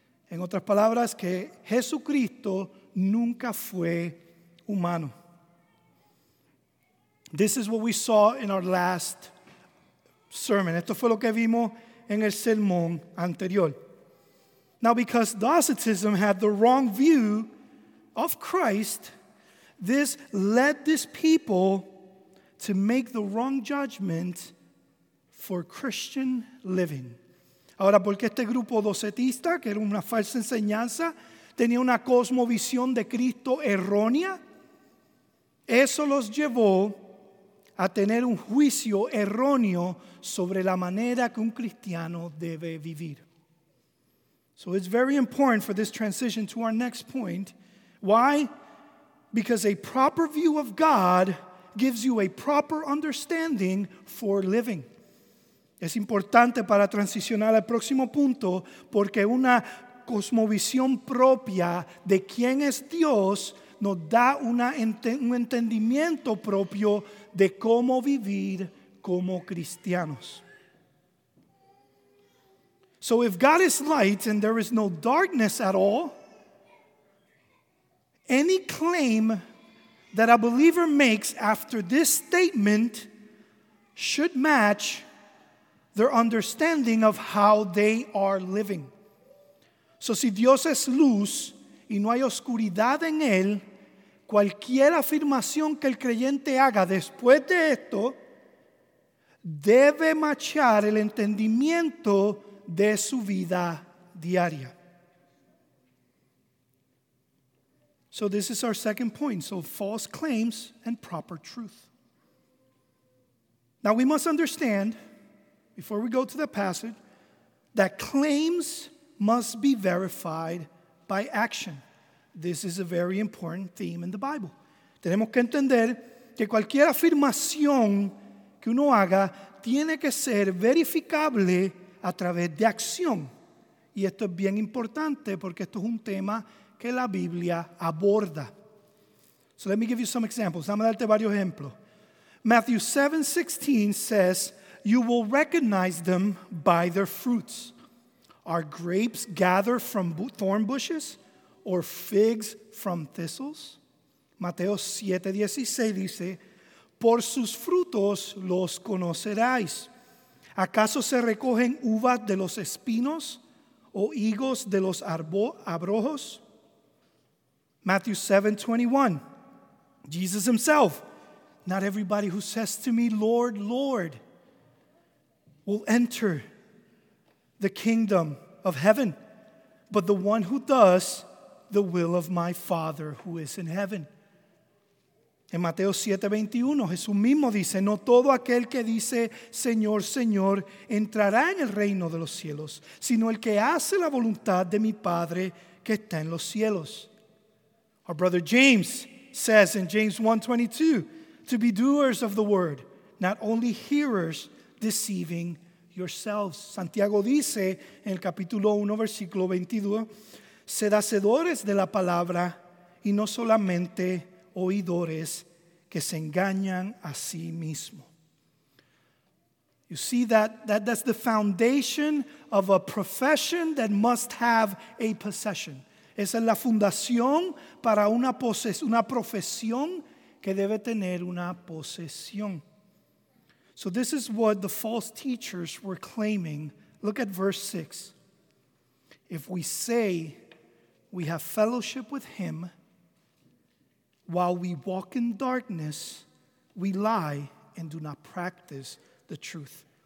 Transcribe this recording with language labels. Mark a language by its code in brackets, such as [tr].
[es] En otras palabras, que Jesucristo nunca fue humano. [en] This is what we saw in our last sermon. [es] Esto fue lo que vimos en el sermón anterior. [en] Now, because Docetism had the wrong view of Christ, this led these people to make the wrong judgment for Christian living. [es] Ahora, porque este grupo docetista, que era una falsa enseñanza, tenía una cosmovisión de Cristo errónea, eso los llevó a tener un juicio erróneo sobre la manera que un cristiano debe vivir. [en] So it's very important for this transition to our next point. Why? Because a proper view of God gives you a proper understanding for living. [es] Es importante para transicionar al próximo punto porque una cosmovisión propia de quién es Dios nos da un entendimiento propio de cómo vivir como cristianos. [en] So if God is light and there is no darkness at all, any claim that a believer makes after this statement should match their understanding of how they are living. [es] So si Dios es luz y no hay oscuridad en él, cualquier afirmación que el creyente haga después de esto debe machar el entendimiento de su vida diaria. [en] So this is our second point. So false claims and proper truth. Now we must understand, before we go to the passage, that claims must be verified by action. This is a very important theme in the Bible. [es] Tenemos que entender que cualquier afirmación que uno haga tiene que ser verificable a través de acción. Y esto es bien importante porque esto es un tema que la Biblia aborda. [en] So let me give you some examples. [es] Vamos a darte varios ejemplos. [en] Matthew 7:16 says, "You will recognize them by their fruits. Are grapes gathered from thorn bushes or figs from thistles?" [es] Mateo 7:16 dice, "Por sus frutos los conoceráis. ¿Acaso se recogen uvas de los espinos o higos de los abrojos?" [en] Matthew 7:21, Jesus himself, "Not everybody who says to me, 'Lord, Lord,' will enter the kingdom of heaven, but the one who does the will of my Father who is in heaven." [es] En Mateo 7:21, Jesús mismo dice, "No todo aquel que dice, 'Señor, Señor,' entrará en el reino de los cielos, sino el que hace la voluntad de mi Padre que está en los cielos." [en] Our brother James says in James 1:22, "To be doers of the word, not only hearers, deceiving yourselves." [es] Santiago dice en el capítulo 1, versículo 22, "Sed hacedores de la palabra y no solamente oidores que se engañan a sí mismo." [en] You see that's the foundation of a profession that must have a possession. [es] Esa es la fundación para una profesión que debe tener una posesión. [en] So this is what the false teachers were claiming. Look at verse 6. "If we say we have fellowship with him while we walk in darkness, we lie and do not practice the truth."